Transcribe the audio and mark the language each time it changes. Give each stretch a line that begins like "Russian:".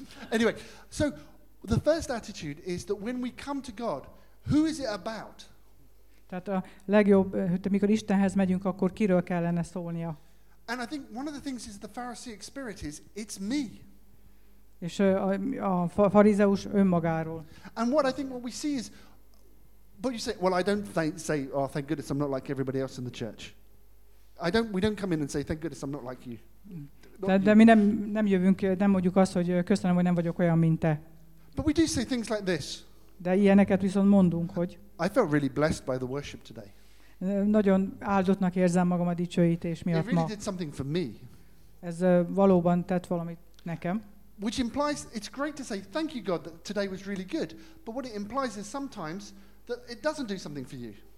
English: Anyway, so the first attitude is that when we come to God, who is it about?
Hungarian: Tehát a legjobb, hogy amikor Istenhez megyünk, akkor kiről kellene szólnia?
English: And I think one of the things is the Pharisaic spirit is, it's me.
Hungarian: És a farizeus önmagáról.
English: And what I think what we see is, but you say, well, I don't say, oh, thank goodness, I'm not like everybody else in the church. We don't come in and say, thank goodness, I'm not like you.
Hungarian: De mi nem jövünk, nem mondjuk azt, hogy köszönöm, hogy nem vagyok olyan, mint te.
English: But we do say things like this.
Hungarian: De ilyeneket viszont mondunk, hogy
English: I felt really blessed by the worship today.
Hungarian: Nagyon áldottnak érzem magam a dicsőítés miatt ma.
English: It really did something for me.
Hungarian: Ez valóban tett valamit nekem.
English: Which implies, it's great to say, thank you God that today was really good. But what it implies is sometimes that it doesn't do something for you.